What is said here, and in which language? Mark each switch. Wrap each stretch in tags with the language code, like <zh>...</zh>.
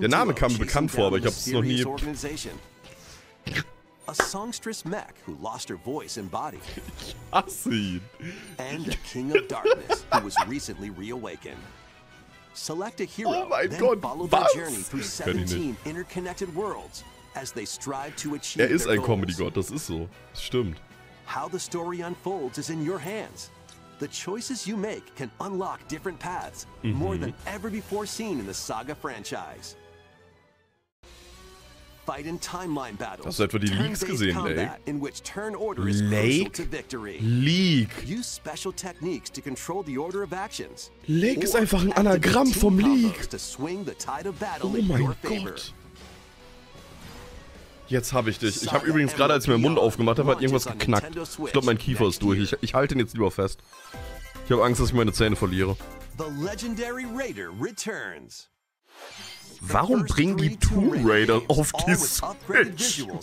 <de>Der Name kam mir bekannt vor, aber ich hab's noch nie...</de> <en>a songstress mech who lost her voice and body. I see. And a king of darkness who was recently reawakened. Select a hero, oh my then God, follow</en> <de>was?</de> <en>Their journey through 17 interconnected worlds as they strive to achieve their goals.</en> <de>Er ist ein Comedy-Gott, das ist so. Stimmt.</de> <en>How the story unfolds is in your hands. The choices you make can unlock different paths, mm-hmm. more than ever before seen in the Saga franchise. Fight in timeline battles.</en> <de>Hast du etwa die Leaks gesehen, Lake?</de> <en>In which turn order is crucial to victory.</en> <de>Leak.</de> <en>Use special techniques to control the order of actions.</en> <de>Lake ist einfach ein Anagramm vom Leak.</de> <en>To swing the tide of battle in your favor.</en> <de>Jetzt habe ich dich. Ich habe übrigens gerade, als ich meinen Mund aufgemacht habe, hat irgendwas geknackt. Ich glaube, mein Kiefer ist durch. Ich halte ihn jetzt lieber fest. Ich habe Angst, dass ich meine Zähne verliere.</de> <en>The legendary Raider returns.</en> <de>Warum bringen die Tomb Raider auf die Switch?</de>